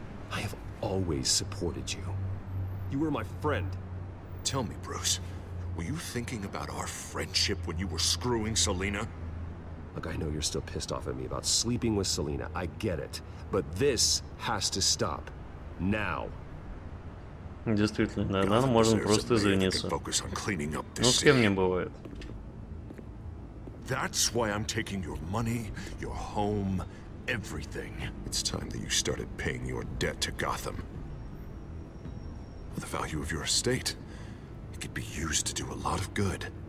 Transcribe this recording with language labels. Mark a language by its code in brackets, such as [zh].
[en] I have always supported you. You were my friend. Tell me, Bruce, Were you thinking about our friendship when you were screwing Selena? Look, I know you're still pissed off at me about sleeping with Selena. I get it. But this has to stop. Now. [ru] Действительно, иногда можно просто извиниться. Ну, с кем не бывает. [en] That's why I'm taking your money, your home, everything. It's time that you started paying your debt to Gotham. The value of your estate, it could be used to do a lot of good.